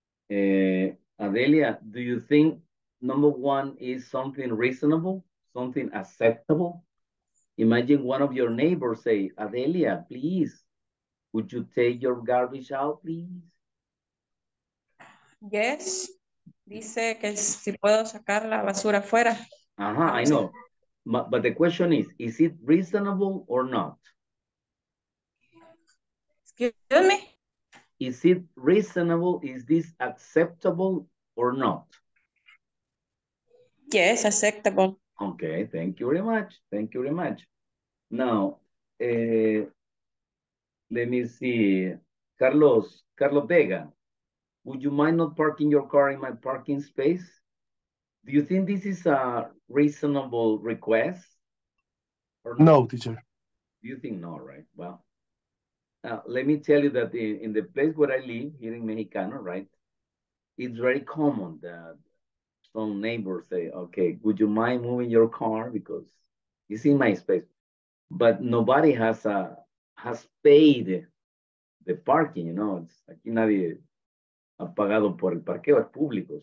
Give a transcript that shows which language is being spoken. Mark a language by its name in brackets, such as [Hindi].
[English] Adelia, do you think number one is something reasonable, something acceptable? Imagine one of your neighbors say, Adelia, please, would you take your garbage out, please? Yes. [Spanish] Dice que si puedo sacar la basura afuera. [English] Ajá, I know. But the question is it reasonable or not? Excuse me? Is it reasonable? Is this acceptable or not? Yes, acceptable. Okay, thank you very much. Thank you very much. Now, let me see. Carlos Vega, would you mind not parking your car in my parking space? Do you think this is a reasonable request? Or not? No, teacher. Do you think no, right? Well, let me tell you that in the place where I live, here in Mexicano, right, it's very common that some neighbors say, okay, would you mind moving your car? Because it's in my space. But nobody has paid the parking, you know. [Spanish] Aquí nadie ha pagado por el parqueo, es público.